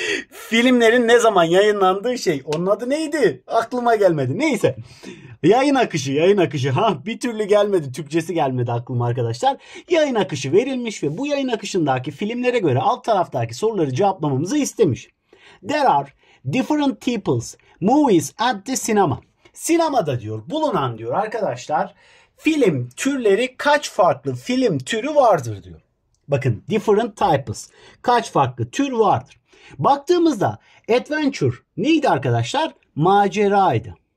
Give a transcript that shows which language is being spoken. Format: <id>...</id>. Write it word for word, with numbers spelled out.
<tr>Filmlerin ne zaman yayınlandığı şey, onun adı neydi? Aklıma gelmedi. Neyse. Yayın akışı, yayın akışı. Ha, bir türlü gelmedi. Türkçesi gelmedi aklıma arkadaşlar. Yayın akışı verilmiş ve bu yayın akışındaki filmlere göre alt taraftaki soruları cevaplamamızı istemiş.</tr> <en>There are different types movies at the cinema.</en> <tr>Sinemada diyor, bulunan diyor arkadaşlar, film türleri, kaç farklı film türü vardır diyor. Bakın,</tr> <en>different types.</en> <tr>Kaç farklı tür vardır. Baktığımızda adventure neydi arkadaşlar? Maceraydı.</tr>